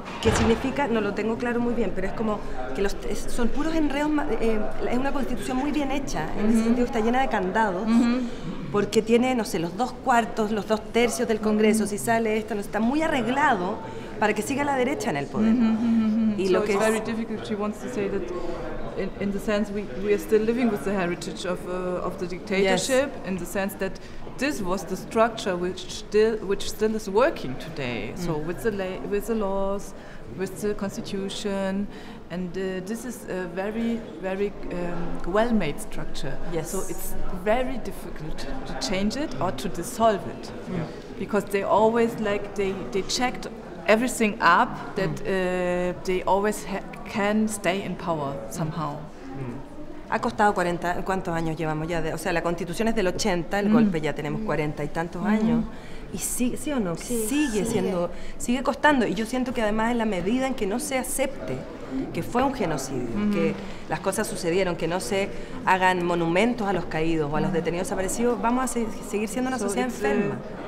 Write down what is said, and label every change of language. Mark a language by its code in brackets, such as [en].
[es] Que significa, no lo tengo claro muy bien, pero es como que son puros enredos, es una constitución muy bien hecha, en uh-huh. ese sentido está llena de candados, uh-huh. porque tiene, no sé, los dos cuartos, los dos tercios del Congreso, uh-huh. si sale esto, no, está muy arreglado para que siga la derecha en el poder. [en] Uh-huh. Y so [es] lo que es muy difícil, [en] she wants to say that in the sense we are still living with the heritage of the dictatorship, yes. in the sense that this was the structure which still is working today. Mm. So with the laws, with the constitution, and this is a very, very well-made structure. Yes. So it's very difficult to change it or to dissolve it, yeah. because they always like they checked everything up that they always can stay in power somehow. [es] Ha costado 40, ¿cuántos años llevamos ya? O sea, la constitución es del 80, el golpe ya tenemos 40 y tantos años. Y sí o no, sigue costando. Y yo siento que además en la medida en que no se acepte que fue un genocidio, que las cosas sucedieron, que no se hagan monumentos a los caídos o a los detenidos desaparecidos, vamos a seguir siendo una sociedad enferma.